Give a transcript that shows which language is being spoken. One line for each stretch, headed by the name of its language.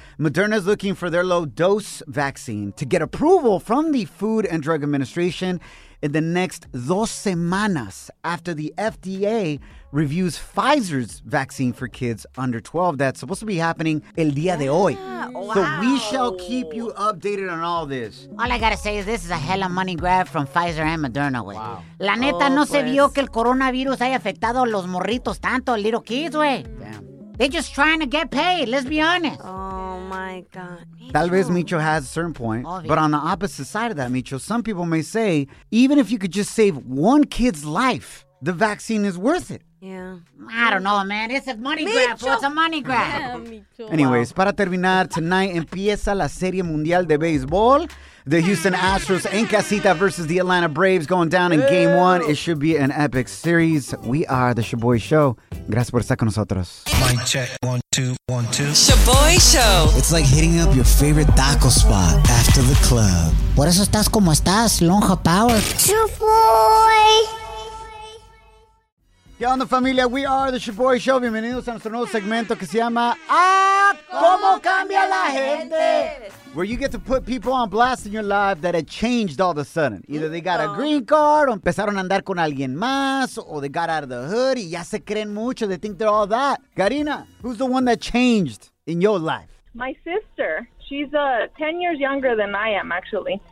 English: Moderna is looking for their low-dose vaccine to get approval from the Food and Drug Administration in the next 2
Spanish: semanas
English: after the FDA reviews Pfizer's vaccine for kids under 12. That's supposed to be happening
Spanish: el día de hoy.
English: Yeah, wow. So we shall keep you updated on all this. All I gotta say is this is a hella money grab from Pfizer and Moderna.
Spanish: Wow. La neta, oh, no pues. Se vio que el coronavirus haya afectado a los morritos tanto,
English: little kids,
Spanish: güey.
English: They just trying to get paid, let's be honest. Oh my God.
Spanish: Tal vez
English: Micho has a certain point, obvious. But on the opposite side of that, Micho, some people may say, even if you could just save one kid's life, the vaccine is worth it. Yeah. I don't know, man. It's a money grab. It's a money grab. Yeah, anyways, wow.
Spanish: Para terminar,
English: tonight
Spanish: empieza la Serie Mundial de Béisbol.
English: The Houston Astros
Spanish: en casita
English: versus the Atlanta Braves going down in game one. It should be an epic series. We are the Shaboy Show.
Spanish: Gracias por estar con nosotros.
English: Mic check. 1, 2, 1, 2. Shaboy Show. It's like hitting up your favorite taco spot after the club.
Spanish: Por eso estás como estás, Lonja Power.
English: Shaboy.
Spanish: ¿Qué onda, familia?
English: We are the Shaboy Show.
Spanish: Bienvenidos a nuestro nuevo segmento que se llama ¡Ah! ¿Cómo cambia la gente?
English: Where you get to put people on blast in your life that had changed all of a sudden. Either they got a green card,
Spanish: o empezaron a andar con alguien más,
English: or they got out of the hood
Spanish: y ya se creen mucho.
English: They think they're all that. Karina, who's the one that changed in your life? My sister. She's 10 years younger than I am, actually.